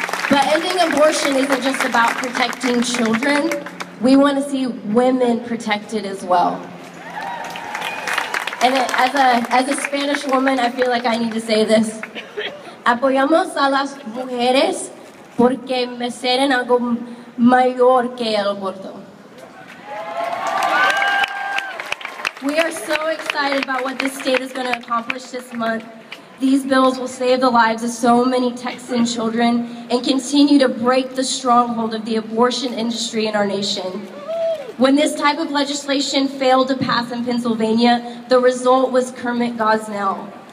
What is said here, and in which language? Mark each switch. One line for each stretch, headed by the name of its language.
English: But ending abortion isn't just about protecting children. We want to see women protected as well. And as a Spanish woman, I feel like I need to say this.
Spanish: Apoyamos a las mujeres porque merecen algo mayor que el aborto.
English: We are so excited about what this state is going to accomplish this month. These bills will save the lives of so many Texan children and continue to break the stronghold of the abortion industry in our nation. When this type of legislation failed to pass in Pennsylvania, the result was Kermit Gosnell.